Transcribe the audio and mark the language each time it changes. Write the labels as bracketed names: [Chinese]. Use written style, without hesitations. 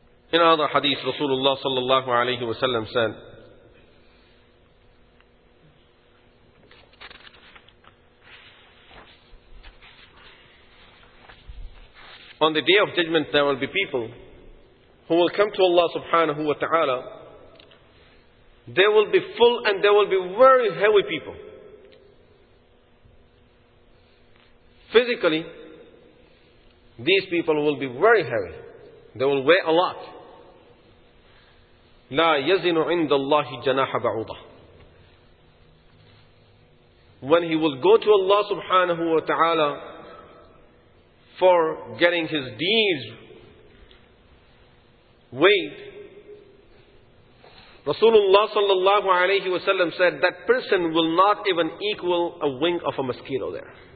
[English] In other hadith, Rasulullah sallallahu alayhi wa sallam said, on the day of judgment there will be people who will come to Allah subhanahu wa ta'ala. They will be full and they will be very heavy people. Physically, these people will be very heavy. They will weigh a lot. [Arabic] لا يزن عند الله جناح بعوضة. [English] When he will go to Allah subhanahu wa ta'ala for getting his deeds weighed, Rasulullah sallallahu alayhi wa sallam said that person will not even equal a wing of a mosquito there.